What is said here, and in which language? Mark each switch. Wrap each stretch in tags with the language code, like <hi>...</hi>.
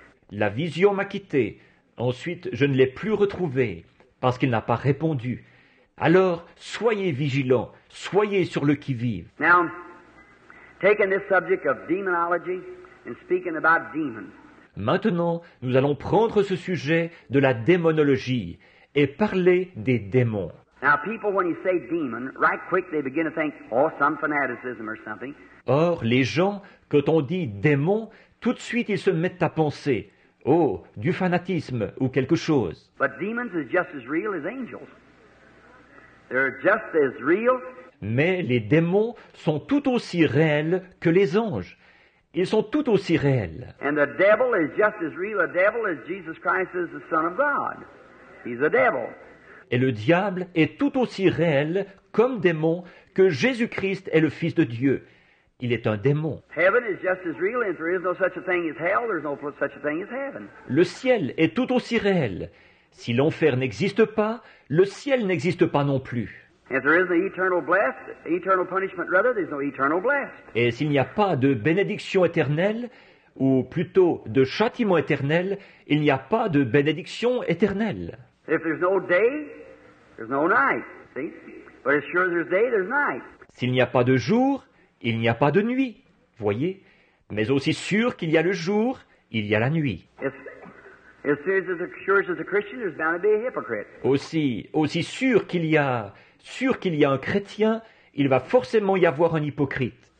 <fr>La vision m'a quitté. Ensuite, je ne l'ai plus retrouvé parce qu'il n'a pas répondu. Alors, soyez vigilants. Soyez sur le qui-vive.</fr> <en>Now, taking this subject of demonology and speaking about demons.</en> <fr>Maintenant, nous allons prendre ce sujet de la démonologie et parler des démons.</fr> <en>Now, people, when you say demon, right quick, they begin to think, oh, some fanaticism or something.</en> <fr>Or, les gens, quand on dit démon, tout de suite, ils se mettent à penser, oh, du fanatisme ou quelque chose.</fr> <en>But demons are just as real as angels. They're just as real.</en> <fr>Mais les démons sont tout aussi réels que les anges. Ils sont tout aussi réels.</fr> <en>And the devil is just as real a devil as Jesus Christ is the Son of God. He's a devil.</en> <fr>Et le diable est tout aussi réel comme démon que Jésus-Christ est le Fils de Dieu. Il est un démon.</fr> <en>Heaven is just as real, and there is no such a thing as hell. There's no such a thing as heaven.</en> <fr>Le ciel est tout aussi réel. Si l'enfer n'existe pas, le ciel n'existe pas non plus.</fr> <en>If there is an eternal blessed, eternal punishment rather, there's no eternal blessed.</en> <fr>Et s'il n'y a pas de bénédiction éternelle, ou plutôt de châtiment éternel, il n'y a pas de bénédiction éternelle.</fr> <en>If there's no day, there's no night. See? But as sure as there's day, there's night.</en> <fr>S'il n'y a pas de jour, il n'y a pas de nuit. Voyez? Mais aussi sûr qu'il y a le jour, il y a la nuit.</fr> <en>As sure as a Christian, there's bound to be a hypocrite.</en> <fr>Aussi sûr qu'il y a un chrétien, il va forcément y avoir un hypocrite.</fr>